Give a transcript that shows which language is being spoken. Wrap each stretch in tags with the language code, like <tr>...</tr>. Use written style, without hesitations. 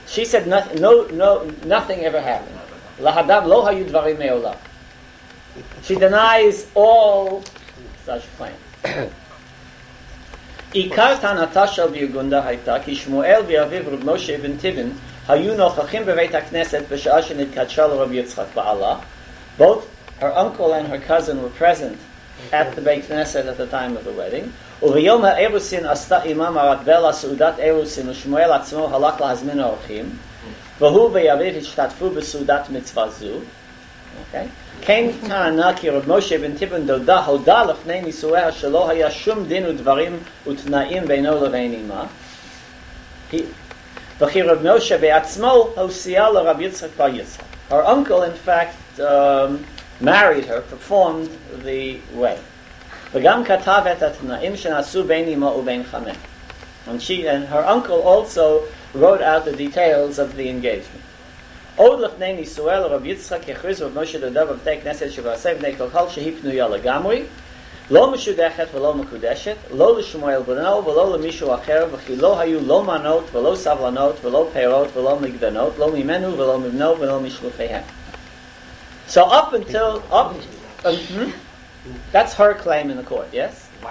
<en>She said nothing ever happened.</en> <he>לאדם לא היו דברים מעולם.</he> <en>She denies all such claims.</en> <he>עיקר טענתה של ביוגונדה הייתה כי שמואל ואביו רב משה בן טיבן היו נוכחים בבית הכנסת בשעה שנתקדשה לרב יצחק בעלה.</he> <en>Both her uncle and her cousin were present at the Beit Knesset at the time of the wedding.</en> <he>וביום האירוסין עשתה אימם הרדבלה סעודת אירוסין ושמואל עצמו הלך להזמין האורחים והוא ואביו השתתפו בסעודת מצווה זו. כן טענה כי רב משה בן טיבן דודה הודה לפני נישואיה שלא היה שום דין ודברים ותנאים בינו לבין אימה. וכי רב משה בעצמו הוסיע לרב יצחק בר יצחק.</he> <en>Her uncle, in fact, married her, performed the wedding.</en> <he>וגם כתב את התנאים שנעשו בין אימו ובין חמם.</he> <en>And her uncle also wrote out the details of the engagement.</en> <he>עוד לפני נישואיה לרב יצחק הכריז רב משה דודה בבתי כנסת שבעשה בני כל שהיא פנויה לגמרי, לא משודכת ולא מקודשת, לא לשמואל בנו ולא למישהו אחר, וכי לא היו לא מנות ולא סבלנות ולא פירות ולא מגדנות, לא ממנו ולא מבנו ולא משלופיהם.</he> <en>So up until... That's her claim in the court, yes?</en>